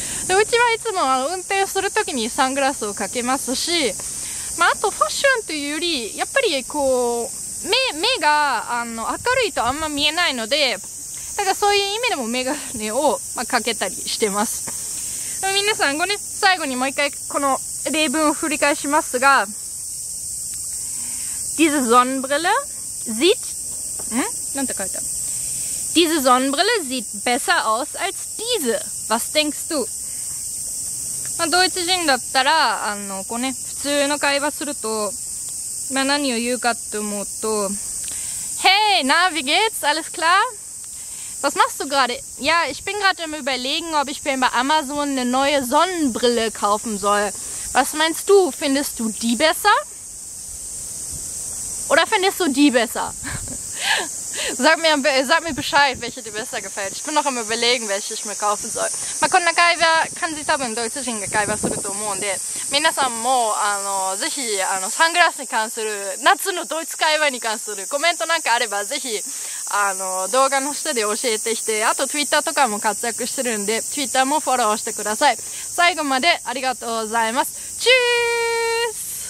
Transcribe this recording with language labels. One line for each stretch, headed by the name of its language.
Japanese: De uchi wa itsumo ano unten suru toki ni sunglasses o kakemasu shi, ma ato fashion tteiu yori yappari kou 目があの明るいとあんま見えないので、 だからそういう意味でも眼鏡をかけたりしてます。皆さんごね、 最後にもう一回この例文を振り返しますが、
German: Diese Sonnenbrille sieht...
Japanese: なんて書いてある?
German: Diese Sonnenbrille sieht besser aus als diese. Was denkst du?
Japanese: ドイツ人だったら、あのこうね、 普通の会話すると、 何を言うかと思うと、
German: Hey, na, wie geht's? Alles klar? Was machst du gerade? Ja, ich bin gerade am Überlegen, ob ich mir bei Amazon eine neue Sonnenbrille kaufen soll. Was meinst du? Findest du die besser? Oder findest du die besser? sag mir Bescheid, welche dir besser gefällt. Ich bin noch am Überlegen, welche ich mir kaufen soll. Man kann eine Geige, kann sich aber in Deutsch eine Geige so gut umwandeln.
Japanese: 皆さんも、ぜひ、サングラスに関する夏のドイツ会話に関するコメントなんかあれば、ぜひ、動画の下で教えてきて、あと、ツイッターとかも活躍してるんで、ツイッターもフォローしてください。最後までありがとうございます。チュース!